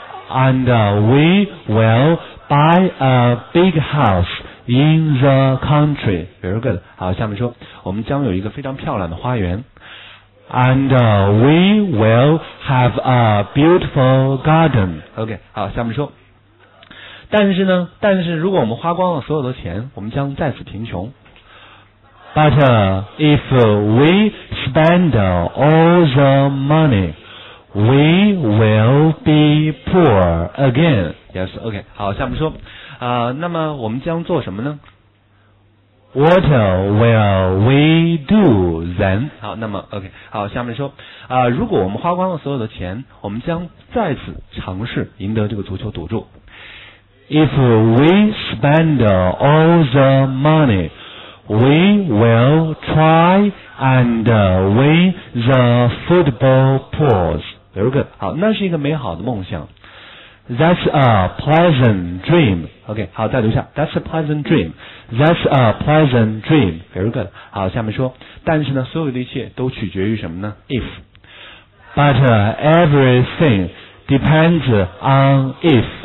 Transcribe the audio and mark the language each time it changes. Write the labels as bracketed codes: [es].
[en] And we will buy a big house in the country. Very good. [zh] 好，下面说，我们将有一个非常漂亮的花园。 [en] And we will have a beautiful garden. [zh] OK, 好，下面说，但是呢，但是如果我们花光了所有的钱，我们将再次贫穷。 [en] But if we spend all the money, we will be poor again. Yes, OK. [zh] 好，下面说，那么我们将做什么呢？ [en] What will we do then? [zh] 好，那么 OK. 好，下面说，如果我们花光了所有的钱，我们将再次尝试赢得这个足球赌注。 [en] If we spend all the money,We will try and win the football pools. Very good. [zh] 好，那是一个美好的梦想。 [en] That's a pleasant dream. OK, 好， [zh] 再读一下。 [en] That's a pleasant dream. That's a pleasant dream. Very good. [zh] 好，下面说，但是呢，所有的一切都取决于什么呢？ [en] If. But everything depends on if.